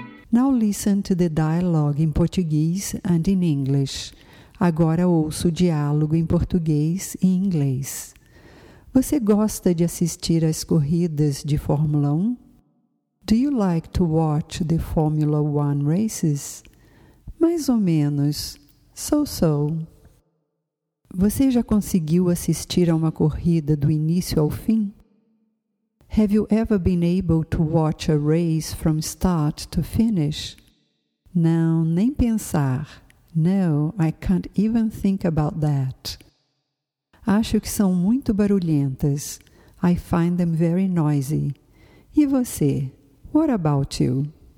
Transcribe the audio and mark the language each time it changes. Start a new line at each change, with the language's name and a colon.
English: Now listen to the dialogue in Portuguese and in English.
Portuguese: Agora ouça o diálogo em português e inglês. Você gosta de assistir às corridas de Fórmula 1?
English: Do you like to watch the Formula One races?
Portuguese: Mais ou menos.
English: So-so.
Portuguese: Você já conseguiu assistir a uma corrida do início ao fim?
English: Have you ever been able to watch a race from start to finish?
Portuguese: Não, nem pensar.
English: No, I can't even think about that.
Portuguese: Acho que são muito barulhentas.
English: I find them very noisy.
Portuguese: E você?
English: What about you?